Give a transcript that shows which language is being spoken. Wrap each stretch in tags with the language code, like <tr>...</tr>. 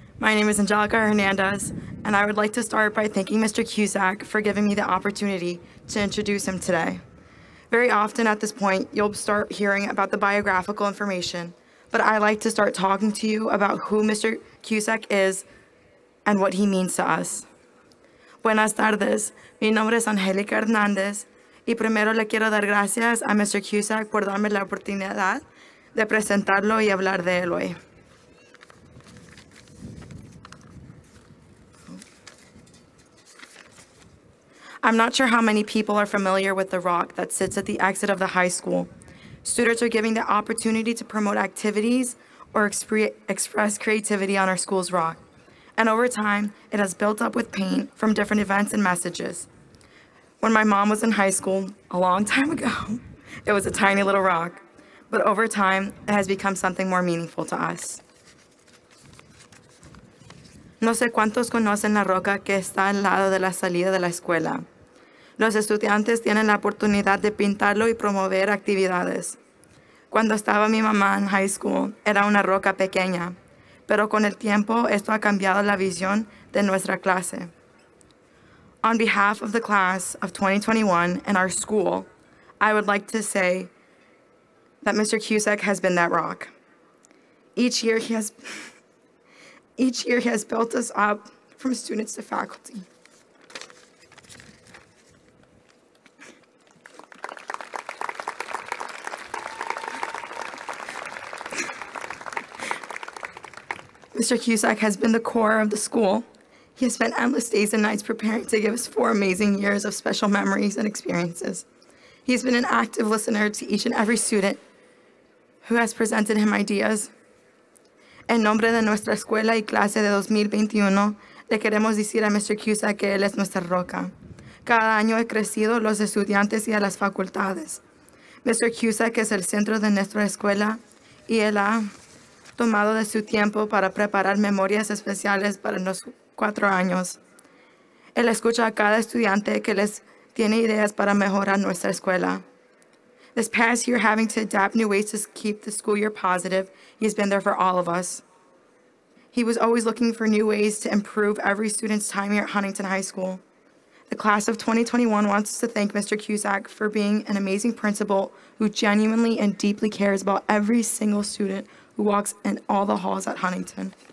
<en>My name is Angelica Hernandez, and I would like to start by thanking Mr. Cusack for giving me the opportunity to introduce him today. Very often at this point, you'll start hearing about the biographical information, but I like to start talking to you about who Mr. Cusack is and what he means to us.</en> <es>Buenas tardes. Mi nombre es Angelica Hernandez, y primero le quiero dar gracias a Mr. Cusack por darme la oportunidad de presentarlo y hablar de él hoy.</es> <en>I'm not sure how many people are familiar with the rock that sits at the exit of the high school. Students are given the opportunity to promote activities or express creativity on our school's rock. And over time, it has built up with paint from different events and messages. When my mom was in high school, a long time ago, it was a tiny little rock. But over time, it has become something more meaningful to us.</en> <es>No sé cuántos conocen la roca que está al lado de la salida de la escuela. Los estudiantes tienen la oportunidad de pintarlo y promover actividades. Cuando estaba mi mamá en high school, era una roca pequeña, pero con el tiempo esto ha cambiado la visión de nuestra clase.</es> <en>On behalf of the class of 2021 and our school, I would like to say that Mr. Cusack has been that rock. Each year he has built us up from students to faculty. Mr. Cusack has been the core of the school. He has spent endless days and nights preparing to give us four amazing years of special memories and experiences. He has been an active listener to each and every student who has presented him ideas.</en> <es>En nombre de nuestra escuela y clase de 2021, le queremos decir a Mr. Cusack que él es nuestra roca. Cada año he crecido los estudiantes y a las facultades. Mr. Cusack es el centro de nuestra escuela y él ha tomado de su tiempo para preparar memorias especiales para los 4 años. Él escucha a cada estudiante que les tiene ideas para mejorar nuestra escuela.</es> <en>This past year, having to adapt new ways to keep the school year positive, he's been there for all of us. He was always looking for new ways to improve every student's time here at Huntington High School. The class of 2021 wants to thank Mr. Cusack for being an amazing principal who genuinely and deeply cares about every single student who walks in all the halls at Huntington.</en>